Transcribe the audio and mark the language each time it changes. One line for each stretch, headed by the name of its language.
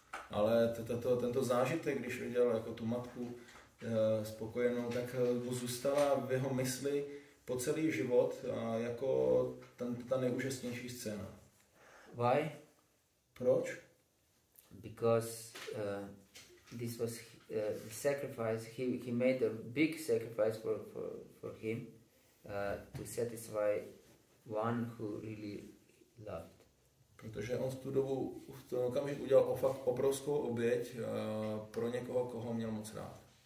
Czech: Ale tento zážitek, když viděl jako tu matku spokojenou, tak mu zůstala v jeho mysli po celý život jako ta nejúžasnější scéna.
English: Why?
Czech: Proč?
English: Because this was the sacrifice he made, a big sacrifice for him to satisfy one who really loved.
Czech: Protože on v tu dobu v tom okamžiku udělal fakt obrovskou oběť pro někoho, koho měl moc rád.